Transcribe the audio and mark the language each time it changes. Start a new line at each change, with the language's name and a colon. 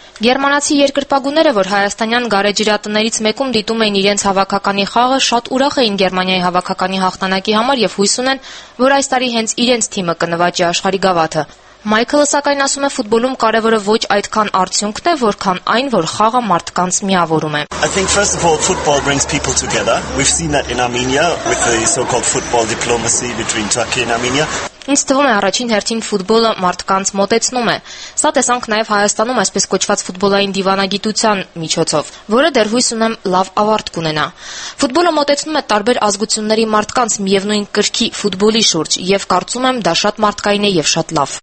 Armenian: Գերմանացի երկրպագունները, որ հայաստանյան գարեջրատներից մեկում դիտում էին իրենց հավաքականի խաղը, շատ ուրախ էին Գերմանիայի հավաքականի հաղթանակի համար եւ հույս ունեն, որ այս տարի հենց իրենց թիմը կնվաճի աշխարհի գավաթը։ Մայքլը, սակայն, ասում է, ֆուտբոլում կարևորը ոչ այդքան արդյունքն է, որքան այն, որ խաղը մարդկանց միավորում է։
English: I think first of all, football brings people together. We've seen that in Armenia with the so-called football diplomacy between Turkey and Armenia.
Armenian: Ինձ թվում է, առաջին հերթին ֆուտբոլը մարդկանց մոտեցնում է։ Սա տեսանք նաև Հայաստանում այսպես կոչված ֆուտբոլային դիվանագիտության միջոցով, որը դեռ հույս ունեմ լավ ավարտ կունենա։ Ֆուտբոլը մոտեցնում է տարբեր ազգությունների մարդկանց միևնույն կրքի ֆուտբոլի շուրջ, եւ կարծում եմ, դա շատ մարդկային է եւ շատ լավ։